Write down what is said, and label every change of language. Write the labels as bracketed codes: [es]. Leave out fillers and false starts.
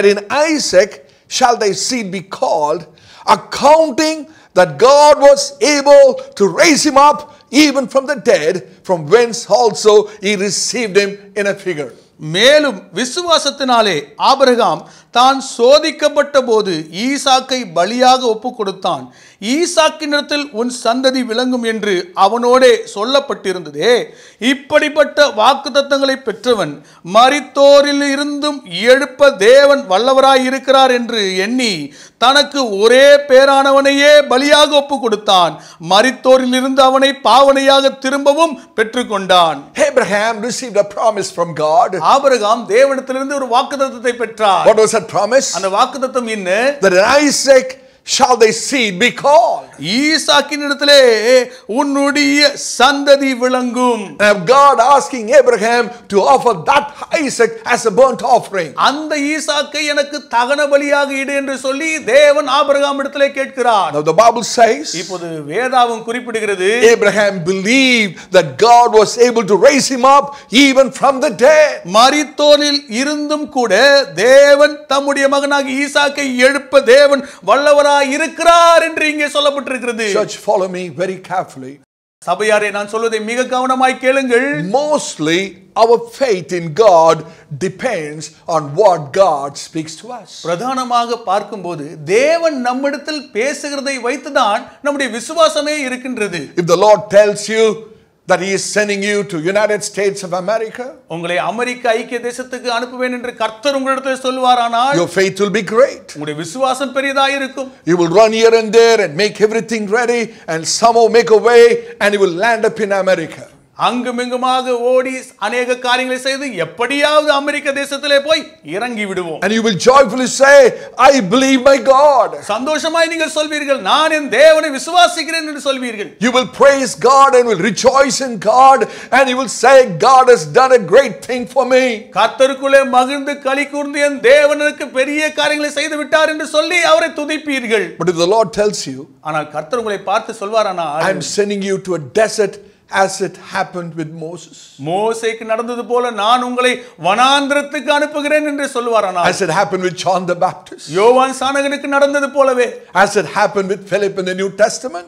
[en] Isaac Shall thy seed be called, accounting that God was able to raise him up even from the dead, from whence also he received him in a figure. [ta] மேலும் விசுவாசத்தினாலே Abraham தான் சோதிக்கப்பட்ட போது ஈசாக்கை பலியாக ஒப்பு கொடுத்தான். ஈசாக்கினிடத்தில் உன் சந்ததி விளங்கும் என்று அவனோடே சொல்லப்பட்டிருந்ததே. இப்படிப்பட்ட வாக்கு தத்தங்களை பெற்றவன் மரித்தோரில் இருந்தும் எழுப்ப தேவன் வல்லவராயிருக்கிறார் என்று எண்ணி தனக்கு ஒரே பேரானவனையே பலியாக ஒப்பு கொடுத்தான். மரித்தோரில் இருந்து அவனை பாவனையாக திரும்பவும் பெற்றுக்கொண்டான். [en] Abraham received a promise from God. [ta] Abraham தேவனிடத்திலிருந்து ஒரு வாக்குத்தத்தத்தை பெற்றார். [en] What was that promise? [ta] அந்த வாக்குத்தத்தம் என்ன? [en] That in Isaac shall thy seed be called. [ta] ஈசாக்கினிடத்திலே உன்னுடைய சந்ததி விளங்கும். [en] Now God asking Abraham to offer that Isaac as a burnt offering. [ta] அந்த ஈசாக்கை எனக்கு தகன பலியாக இடு என்று சொல்லி தேவன் ஆபிரகாம் இடத்திலே கேட்கிறார். [en] Now the Bible says. [ta] இப்போது வேதாவும் குறிப்பிடுகிறது. [en] Abraham believed that God was able to raise him up even from the dead. [ta] மரித்தோரில் இருந்தும் கூட தேவன் தம்முடைய மகனாக ஈசாக்கை எழுப்ப தேவன் வல்லவராய் இருக்கிறார் என்று இங்கே சொல்லப்பட்டிருக்கிறது. [en] Church, follow me very carefully. [ta] சபையாரே நான் சொல்வதை மிக கவனமாய் கேளுங்கள். [en] Mostly our faith in God depends on what God speaks to us. [ta] பிரதானமாக பார்க்கும்போது தேவன் நம்மிடத்தில் பேசுகிறதை வைத்துதான் நம்முடைய விசுவாசமே இருக்கின்றது. [en] If the Lord tells you that he is sending you to United States of America. [ta] உங்களை அமெரிக்க ஐக்கிய தேசத்துக்கு அனுப்புவேன் என்று கர்த்தர் உங்களிடத்தில் சொல்வாரானால் [en] your faith will be great. [ta] உங்களுடைய விசுவாசம் பெரியதாக இருக்கும். [en] You will run here and there and make everything ready and somehow make a way and you will land up in America. [ta] அங்கும் இங்குமாக ஓடி அநேக காரியங்களை செய்து எப்படியாவது அமெரிக்க தேசத்திலே போய் இறங்கி விடுவோம். [en] And you will joyfully say, I believe my God. [ta] சந்தோஷமாய் நீங்கள் சொல்வீர்கள், நான் என் தேவனை விசுவாசிக்கிறேன் என்று சொல்வீர்கள். [en] You will praise God and will rejoice in God and you will say, God has done a great thing for me. [ta] கர்த்தருக்குள்ளே மகிழ்ந்து களி கூர்ந்து என் தேவனுக்கு பெரிய காரியங்களை செய்து விட்டார் என்று சொல்லி அவரை துதிப்பீர்கள். [en] But if the Lord tells you, [ta] ஆனால் கர்த்தர் உங்களை பார்த்து சொல்வாரானால் [en] I am sending you to a desert as it happened with Moses. [ta] மோசேக்கு நடந்தது போல நான் உங்களை வனாந்திரத்துக்கு அனுப்புகிறேன் என்று சொல்வாரானால் [en] as it happened with John the Baptist. [ta] யோவான் ஸ்நானகனுக்கு நடந்தது போலவே [en] as it happened with Philip in the New Testament.